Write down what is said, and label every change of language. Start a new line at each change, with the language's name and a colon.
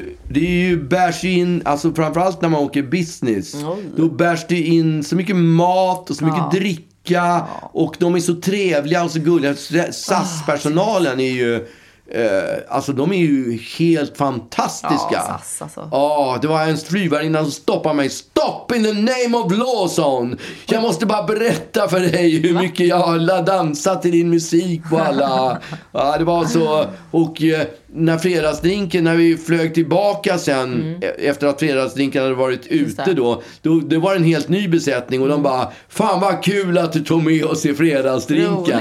Swedish: Det är ju bärs in, alltså framförallt när man åker business. Då bärs det in så mycket mat och så mycket drick. Och de är så trevliga och så gulliga. SAS-personalen är ju Alltså de är ju helt fantastiska. Ja, sass, alltså. Oh, det var en flygvärdinna som stoppade mig.
English: Stop in the name of Lawson.
Swedish: Jag måste bara berätta för dig hur mycket jag har dansat i din musik på alla. Ja, det var så. Och när fredagsdrinken, när vi flög tillbaka sen efter att fredagsdrinken hade varit ute då, då det var en helt ny besättning. Och de bara, fan vad kul att du tog med oss i fredagsdrinken.